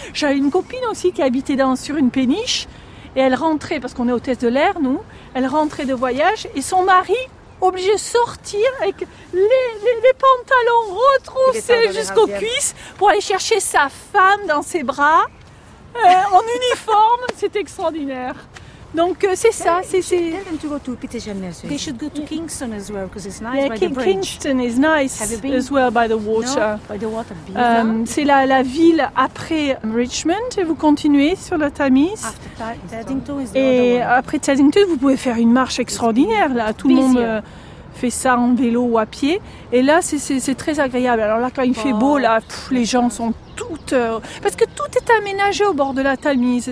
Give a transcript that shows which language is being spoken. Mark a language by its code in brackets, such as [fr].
[fr] J'avais une copine aussi qui habitait sur une péniche et elle rentrait, parce qu'on est hôtesse de l'air nous, elle rentrait de voyage et son mari... obligé de sortir avec les pantalons retroussés jusqu'aux cuisses pour aller chercher sa femme dans ses bras en uniforme. C'est extraordinaire. Donc c'est ça, c'est. [en] Tell them to go to Peter Jamnes. They should go to Kingston as well because it's nice yeah, by the bridge. Kingston is nice as well by the water. No, by the water. [fr] C'est la ville après Richmond et vous continuez sur la Tamise. Et après Teddington, vous pouvez faire une marche extraordinaire là. Tout le monde fait ça en vélo ou à pied. Et là, c'est très agréable. Alors là, quand il fait beau, là, les gens sont toutes. Parce que tout est aménagé au bord de la Tamise.